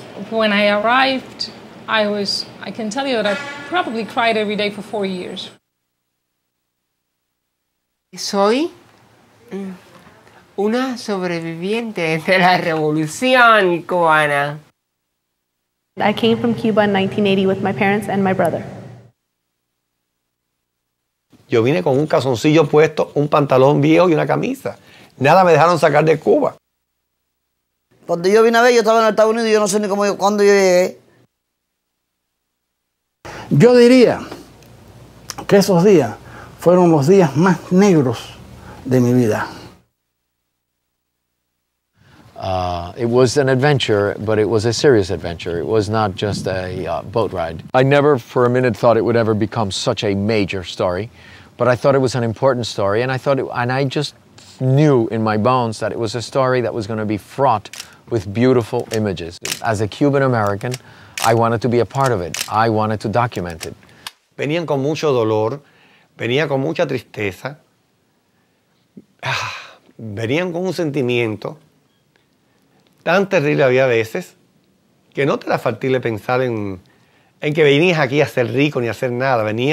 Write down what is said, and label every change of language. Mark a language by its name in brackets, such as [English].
[English] When I arrived, I can tell you that I probably cried every day for 4 years. [Spanish] Soy una sobreviviente de la revolución cubana. [English] I came from Cuba in 1980 with my parents and my brother. [Spanish] Yo vine con un calzoncillo puesto, un pantalón viejo y una camisa. Nada me dejaron sacar de Cuba. Cuando yo vine a ver, yo estaba en Estados Unidos y yo no sé ni cómo, cuándo yo llegué. Yo diría que esos días fueron los días más negros de mi vida. [English] It was an adventure, but it was a serious adventure. It was not just a boat ride. I never for a minute thought it would ever become such a major story, but I thought it was an important story, and I just knew in my bones that it was a story that was going to be fraught with beautiful images. As a Cuban American, I wanted to be a part of it. I wanted to document it. [Spanish] Venían con mucho dolor, venía con mucha tristeza, venían con un sentimiento tan terrible. Había veces que no te era factible pensar en que venías aquí a ser rico ni a hacer nada.